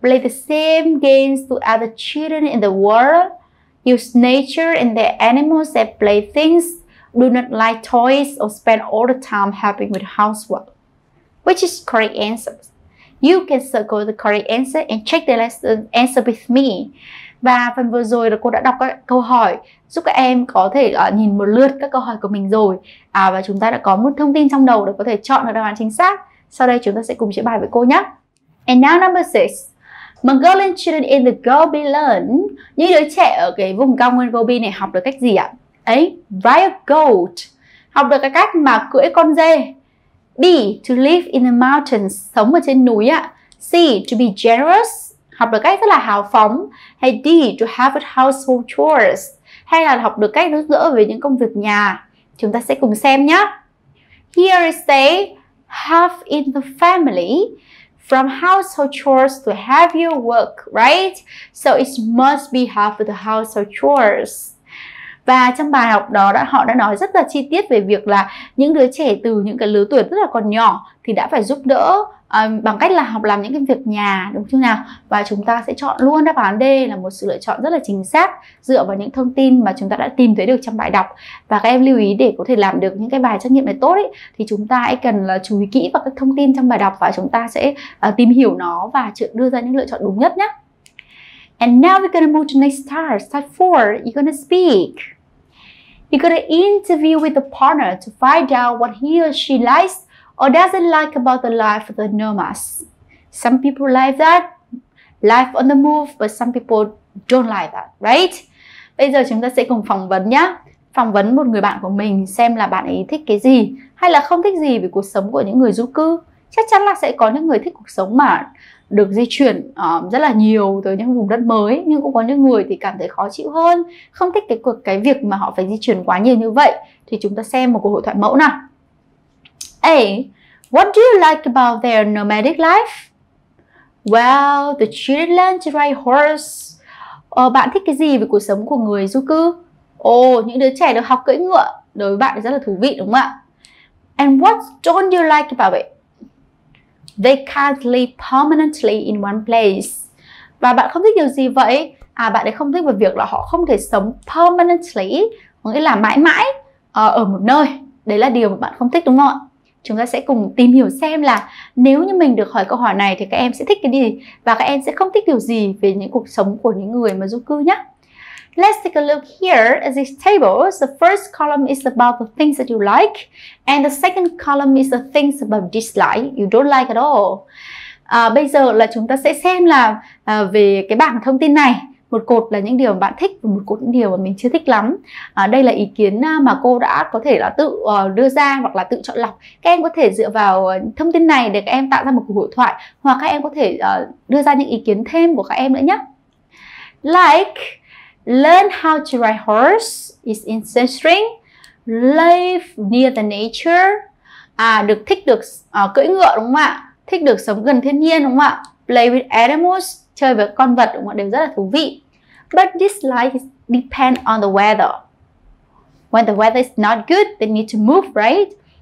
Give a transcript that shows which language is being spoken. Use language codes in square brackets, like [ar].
[en] Play the same games to other children in the world. Use nature and their animals as playthings. Do not like toys or spend all the time helping with housework. Which is correct answer? You can circle the correct answer and check the lesson answer with me. [vi] Và phần vừa rồi là cô đã đọc các câu hỏi, giúp các em có thể nhìn một lượt các câu hỏi của mình rồi. Và chúng ta đã có một thông tin trong đầu để có thể chọn được đáp án chính xác. Sau đây chúng ta sẽ cùng chia bài với cô nhé. [en] And now number 6, Mongolian children in the Gobi learn. [vi] Những đứa trẻ ở cái vùng cao nguyên Gobi này học được cách gì ạ? A. [en] Ride a goat. [vi] Học được cái cách mà cưỡi con dê. [en] B. To live in the mountains. [vi] Sống ở trên núi ạ. [en] C. To be generous. [vi] Học được cách rất là hào phóng. Hay D. [en] To have a household chores. [vi] Hay là học được cách rất dễ với những công việc nhà. Chúng ta sẽ cùng xem nhé. [en] Here is A. Have in the family. From household chores to heavier work, right? So it must be half of the household chores. [vi] Và trong bài học đó, họ đã nói rất là chi tiết về việc là những đứa trẻ từ những cái lứa tuổi rất là còn nhỏ thì đã phải giúp đỡ bằng cách là học làm những cái việc nhà, đúng chưa nào? Và chúng ta sẽ chọn luôn đáp án D là một sự lựa chọn rất là chính xác dựa vào những thông tin mà chúng ta đã tìm thấy được trong bài đọc. Và các em lưu ý, để có thể làm được những cái bài trắc nghiệm này tốt ý, thì chúng ta hãy cần là chú ý kỹ vào các thông tin trong bài đọc và chúng ta sẽ tìm hiểu nó và đưa ra những lựa chọn đúng nhất nhé. [en] And now we're gonna move to next task. Type 4, you're gonna speak. You're gonna interview with the partner to find out what he or she likes or doesn't like about the life of the nomads. Some people like that, life on the move, but some people don't like that, right? [vi] Bây giờ chúng ta sẽ cùng phỏng vấn nhé. Phỏng vấn một người bạn của mình xem là bạn ấy thích cái gì hay là không thích gì về cuộc sống của những người du cư. Chắc chắn là sẽ có những người thích cuộc sống mà được di chuyển rất là nhiều tới những vùng đất mới, nhưng cũng có những người thì cảm thấy khó chịu hơn, không thích cái việc mà họ phải di chuyển quá nhiều như vậy. Thì chúng ta xem một cuộc hội thoại mẫu nào. [en] A. What do you like about their nomadic life? Well, the children learn to ride horse. [vi] bạn thích cái gì về cuộc sống của người du cư? Những đứa trẻ được học cưỡi ngựa đối với bạn rất là thú vị đúng không ạ? [en] And what don't you like about it? They can't live permanently in one place. [vi] Và bạn không thích điều gì vậy? À, bạn ấy không thích về việc là họ không thể sống permanently, có nghĩa là mãi mãi ở một nơi. Đấy là điều mà bạn không thích đúng không ạ? Chúng ta sẽ cùng tìm hiểu xem là nếu như mình được hỏi câu hỏi này thì các em sẽ thích cái gì và các em sẽ không thích điều gì về những cuộc sống của những người mà du cư nhé. [en] Let's take a look here at this table. The first column is about the things that you like and the second column is the things about dislike, you don't like at all. [vi] Bây giờ là chúng ta sẽ xem là về cái bảng thông tin này. Một cột là những điều mà bạn thích và một cột những điều mà mình chưa thích lắm. Đây là ý kiến mà cô đã có thể là tự đưa ra hoặc là tự chọn lọc. Các em có thể dựa vào thông tin này để các em tạo ra một cuộc hội thoại hoặc các em có thể đưa ra những ý kiến thêm của các em nữa nhé. [en] Like, learn how to ride horse is interesting. Live near the nature. [vi] Được thích được cưỡi ngựa đúng không ạ? Thích được sống gần thiên nhiên đúng không ạ? [en] Play with animals. [vi] Chơi với con vật đúng không? Đều rất là thú vị. [en] But dislike depends on the weather. When the weather is not good, they need to move, right?